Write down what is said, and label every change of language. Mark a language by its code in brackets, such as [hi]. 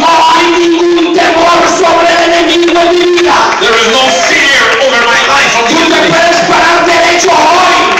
[es] No hay ningún temor sobre el enemigo en mi vida. [en] There is no fear over my life. [es] Tú te puedes parar derecho hoy.